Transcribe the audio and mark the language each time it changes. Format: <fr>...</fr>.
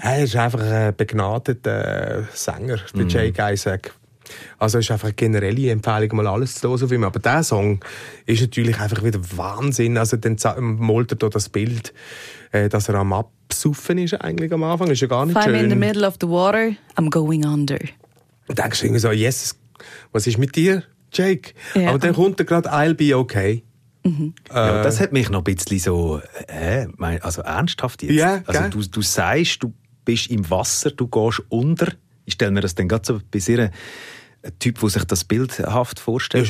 <de>Er ist einfach ein begnadeter Sänger, der Jake Isaac. Also ist einfach eine generelle Empfehlung, mal alles zu hören auf ihm. Aber dieser Song ist natürlich einfach wieder Wahnsinn. Also dann malt er das Bild, dass er am Absuffen ist eigentlich am Anfang. Ist ja gar nicht</de> <en>If I'm</en> <de>schön.</de> <en>In the middle of the water, I'm going under.</en> <de>Und denkst du irgendwie so, yes, was ist mit dir, Jake? Yeah. Aber dann kommt er gerade,</de> <en>I'll be okay.</en> <de>Ja, das hat mich noch ein bisschen so, also ernsthaft jetzt.</de> <en>Yeah,</en> <de>also du sagst, du bist im Wasser, du gehst unter. Ich stelle mir das dann gerade so bei so einem Typ, der sich das bildhaft vorstellt.</de>